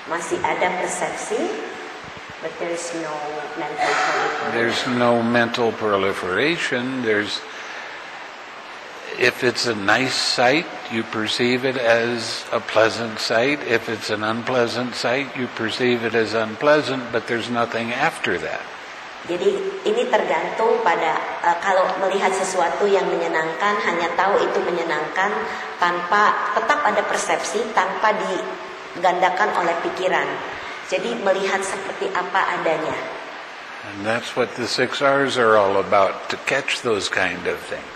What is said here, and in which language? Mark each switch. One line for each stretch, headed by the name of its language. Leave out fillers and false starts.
Indonesian: Masih ada persepsi,
English: but there is no mental proliferation. There's no mental proliferation. There's, if it's a nice sight, you perceive it as a pleasant sight. If it's an unpleasant sight, you perceive it as unpleasant, but there's nothing after that.
Indonesian: Jadi ini tergantung pada kalau melihat sesuatu yang menyenangkan, hanya tahu itu menyenangkan, tanpa tetap ada persepsi, tanpa digandakan oleh pikiran. Jadi melihat seperti apa adanya.
English: And that's what the 6 R's are all about, to catch those kind of things.